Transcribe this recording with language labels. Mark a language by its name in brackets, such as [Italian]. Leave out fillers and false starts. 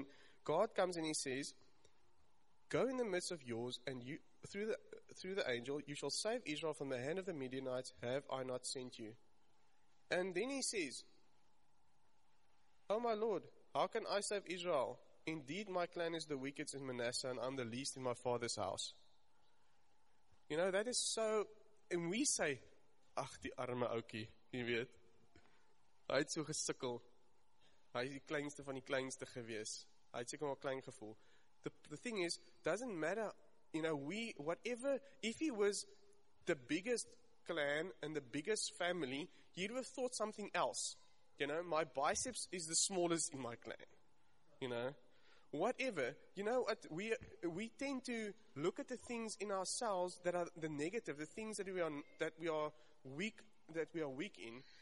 [English] And God comes and he says, go in the midst of yours, and you through the angel, you shall save Israel from the hand of the Midianites. Have I not sent you? And then he says, oh my Lord, how can I save Israel? Indeed, my clan is the weakest in Manasseh, and I'm the least in my father's house. You know, that is so, and we say, [Afrikaans] ach, die arme oukie, jy weet, hy het so gesukkel, hy is die kleinste van die kleinste gewees, hy het seker maar klein gevoel. [English] The thing is, doesn't matter, you know, if he was the biggest clan and the biggest family, he'd have thought something else. You know, my biceps is the smallest in my clan, you know. Whatever, you know what, we tend to look at the things in ourselves that are the negative, the things that we are weak in.